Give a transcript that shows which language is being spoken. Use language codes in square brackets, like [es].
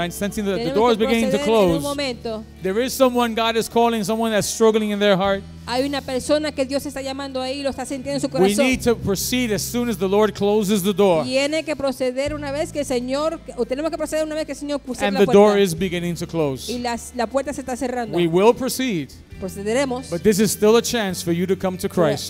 [en] I'm sensing that the door is beginning to close. There is someone God is calling, someone that's struggling in their heart. [es] Hay una persona que Dios está llamando ahí, lo está sintiendo en su corazón. [en] We need to proceed as soon as the Lord closes the door. [es] Tiene que proceder una vez que el Señor, tenemos que proceder una vez que el Señor puse la puerta. [en] And the door is beginning to close. [es] Y la puerta se está cerrando. [en] We will proceed. [es] Procederemos. [en] But this is still a chance for you to come to Christ.